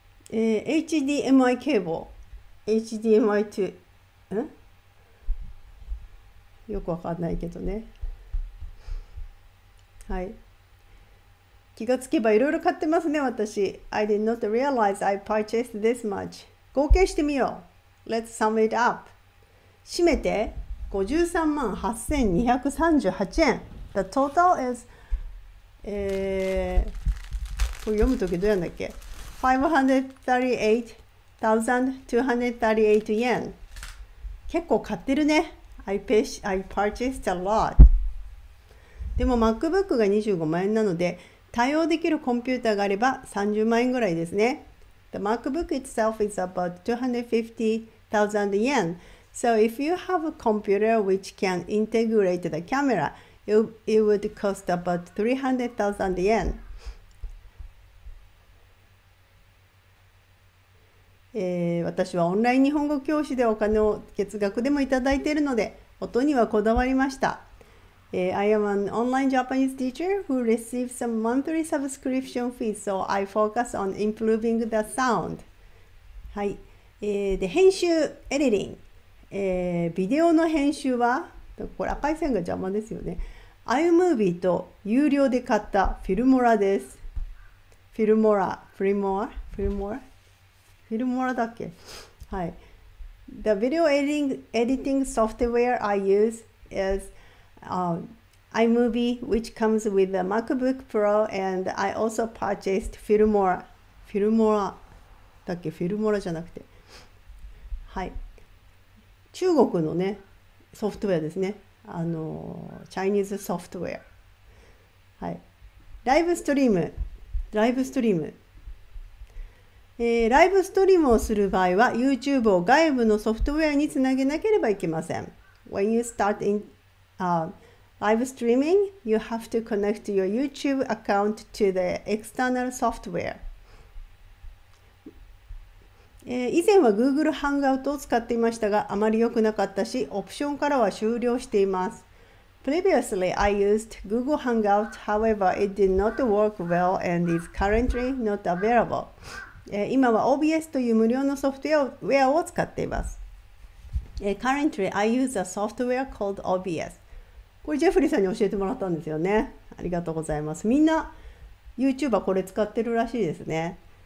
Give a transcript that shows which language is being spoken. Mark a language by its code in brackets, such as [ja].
[ja] HDMI ケーブル、 HDMI 2、よくわかんないけどね。はい、気がつけばいろいろ買ってますね、私。 [en] I did not realize I purchased this much。 [ja] 合計してみよう。 [en] Let's sum it up。 [ja] 締めて53万8238円。 [en] The total is、 [ja] これ読むときどうやんだっけ ?538,238 円。結構買ってるね。 [en] I purchased a lot。 [ja] でも MacBook が25万円なので、対応できるコンピューターがあれば30万円ぐらいですね。 [en] The MacBook itself is about 250,000 yen。 So if you have a computer which can integrate the camera, it would cost about 300,000 yen. [ja] 私はオンライン日本語教師でお金を月額でもいただいているので、音にはこだわりました。 [en] I am an online Japanese teacher who receives a monthly subscription fee, so I focus on improving the sound. [ja] はい。で、編集、エディリング。ビデオの編集は、これ赤い線が邪魔ですよね。 iMovie と有料で買ったフィルモラです。フィルモラ、フィルモラ、フィルモラ、フィルモラだっけ。はい。 [en] The video editing software I use is iMovie, which comes with the MacBook Pro, and I also purchased Filmora. [ja] Filmora だっけ、フィルモラじゃなくて。はい。中国のね、ソフトウェアですね。チャイニーズソフトウェア。はい。ライブストリーム。ライブストリーム。ライブストリームをする場合は、YouTube を外部のソフトウェアにつなげなければいけません。 [en] When you start in, live streaming, you have to connect your YouTube account to the external software. [ja] 以前は Google Hangout を使っていましたが、あまり良くなかったし、オプションからは終了しています。 [en] Previously, I used Google Hangout. However, it did not work well and is currently not available. [ja] 今は OBS という無料のソフトウェアを使っています。 [en] Currently, I use a software called OBS. [ja] これ、ジェフリーさんに教えてもらったんですよね。ありがとうございます。みんな YouTuber これ使ってるらしいですね。